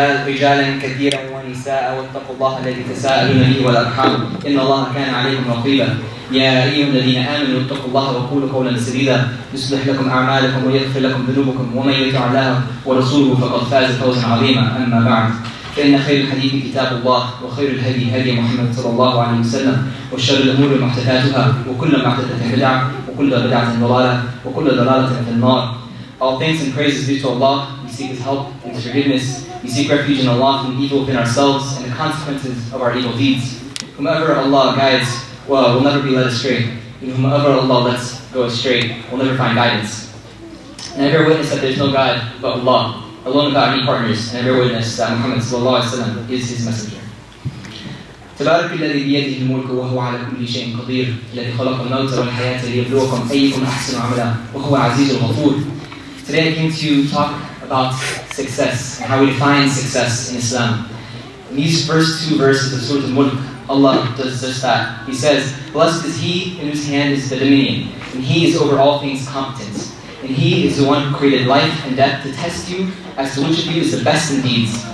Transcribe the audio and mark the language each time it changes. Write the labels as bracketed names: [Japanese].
[Arabic] رجالا كثيرا ونساء واتقوا الله الذي تساءلون به والأرحام إن الله كان عليكم رقيبا يا أيها الذين آمنوا اتقوا الله وقولوا قولا سديدا يصلح لكم أعمالكم ويغفر لكم ذنوبكم ومن يطع الله ورسوله فقد فاز فوزا عظيما أما بعد فإن خير الحديث كتاب الله وخير الهدي هدي محمد صلى الله عليه وسلم وشر الأمور محدثاتها وكل محدثة بدعة وكل بدعة ضلالة وكل ضلالة في النار. [English] All thanks and praises be to Allah. We seek His help and His forgiveness. We seek refuge in Allah from evil within ourselves and the consequences of our evil deeds. Whomever Allah guides, well, will never be led astray. And whomever Allah lets go astray will never find guidance. And I bear witness that there is no God but Allah, alone without any partners, and I bear witness that Muhammad [Arabic] sallallahu alayhi wa sallam [English] is His messenger. [Arabic] تبارك الذي بيده الملك وهو على كل شيء قدير الذي خلق الموت والحياة ليبلوكم أيكم أحسن عملا وهو عزيز الغفور. [English] Today I came to talk about success and how we define success in Islam. In these first two verses of Surah Al-Mulk, Allah does just that. He says, blessed is he in whose hand is the dominion, and he is over all things competent. And he is the one who created life and death to test you as to which of you is the best in deeds.